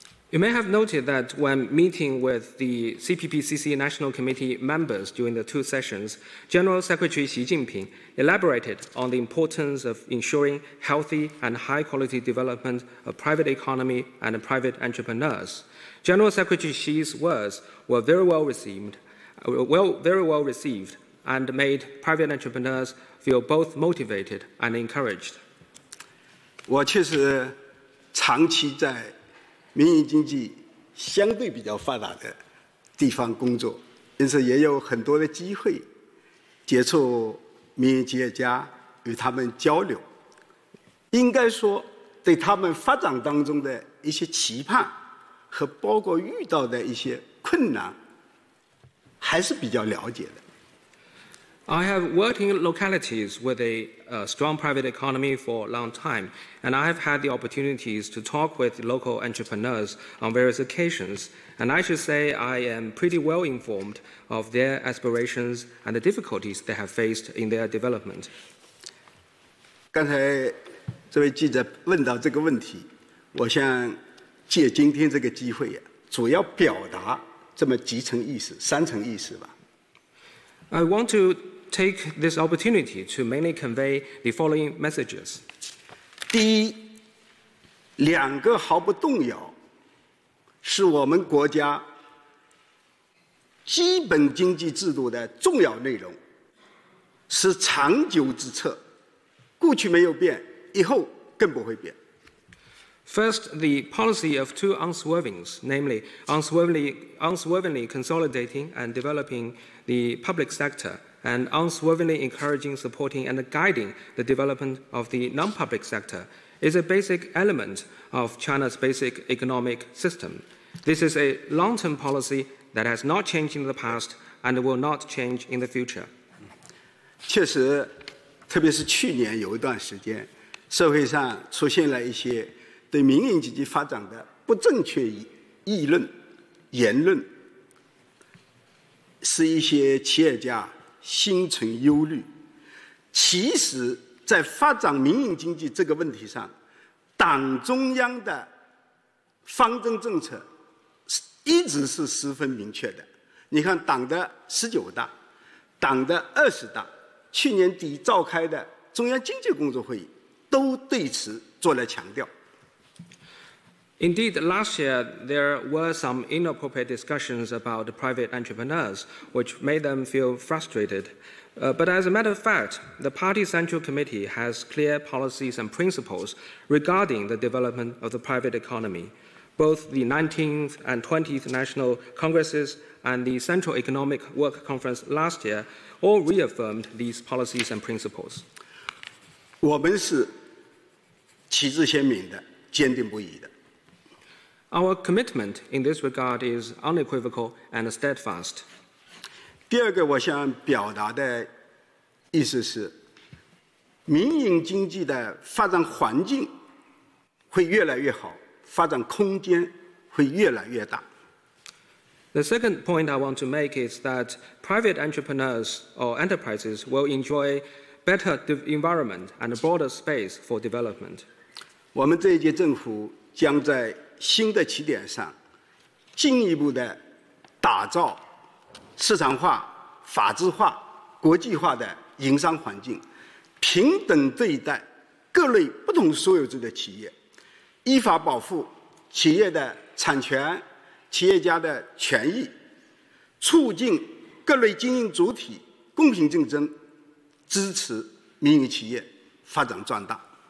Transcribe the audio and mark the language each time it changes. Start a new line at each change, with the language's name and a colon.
English: You may have noted that when meeting with the CPPCC National Committee members during the two sessions, General Secretary Xi Jinping elaborated on the importance of ensuring healthy and high quality development of private economy and private entrepreneurs. General Secretary Xi's words were very well received and made private entrepreneurs feel both motivated and encouraged.
Chinese: 我确实长期在民营经济相对比较发达的地方工作，因此也有很多的机会接触民营企业家，与他们交流，应该说对他们发展当中的一些期盼和包括遇到的一些困难还是比较了解的。
English: I have worked in localities with a strong private economy for a long time, and I have had the opportunities to talk with local entrepreneurs on various occasions, and I should say I am pretty well informed of their aspirations and the difficulties they have faced in their development.
Chinese: 刚才这位记者问到这个问题，我想借今天这个机会啊，主要表达这么几层意思，三层意思吧。
English: I want to take this opportunity to mainly convey the following messages.
Chinese: 第一，两个毫不动摇，是我们国家基本经济制度的重要内容，是长久之策，过去没有变，以后更不会变。
English: First, the policy of two unswervings, namely unswervingly consolidating and developing the public sector, and unswervingly encouraging, supporting, and guiding the development of the non-public sector, is a basic element of China's basic economic system. This is a long-term policy that has not changed in the past and will not change in the future.
Chinese: 确实，特别是去年有一段时间，社会上出现了一些对民营经济发展的不正确议论、言论，使一些企业家心存忧虑。其实，在发展民营经济这个问题上，党中央的方针政策一直是十分明确的。你看，党的十九大、党的二十大，去年底召开的中央经济工作会议，都对此做了强调。
English: Indeed, last year there were some inappropriate discussions about private entrepreneurs, which made them feel frustrated. But as a matter of fact, the Party Central Committee has clear policies and principles regarding the development of the private economy. Both the 19th and 20th National Congresses and the Central Economic Work Conference last year all reaffirmed these policies and principles.
Chinese: 我们是旗帜鲜明的，坚定不移的。
English: Our commitment in this regard is unequivocal and steadfast.
Chinese: 第二个我想表达的意思是，民营经济的发展环境会越来越好，发展空间会越来越大。
English: The second point I want to make is that private entrepreneurs or enterprises will enjoy better environment and a broader space for development.
Chinese: 我们这一届政府将在新的起点上进一步的打造市场化、法治化、国际化的营商环境，平等对待各类不同所有制的企业，依法保护企业的产权、企业家的权益，促进各类经营主体公平竞争，支持民营企业发展壮大。